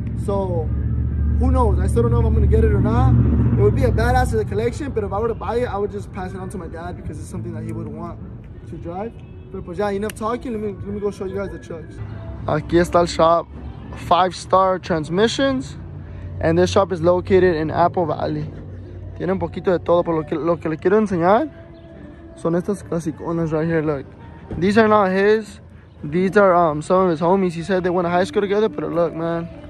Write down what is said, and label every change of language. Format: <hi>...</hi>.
<en>So who knows? I still don't know if I'm gonna get it or not. It would be a badass of the collection, but if I were to buy it, I would just pass it on to my dad because it's something that he would want to drive. But yeah, enough talking. Let me go show you guys the trucks.</en> <es>Aquí está el shop,</es> <en>Five Star Transmissions, and this shop is located in Apple Valley.</en> <es>Tiene un poquito de todo, pero lo que le quiero enseñar son estas clasiconas</es> <en>right here. Look, these are not his. These are some of his homies. He said they went to high school together, but look, man.</en>